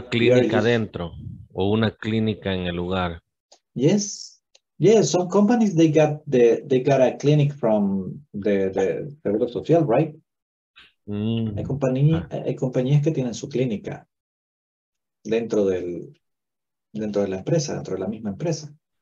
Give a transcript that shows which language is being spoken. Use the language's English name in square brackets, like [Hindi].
[Spanish] una clínica dentro o una clínica en el lugar. [English] Yes. Yeah, some companies they got a clinic from the [Spanish] seguro social, [English] right? [Spanish] Hay compañías que tienen su clínica dentro de la misma empresa.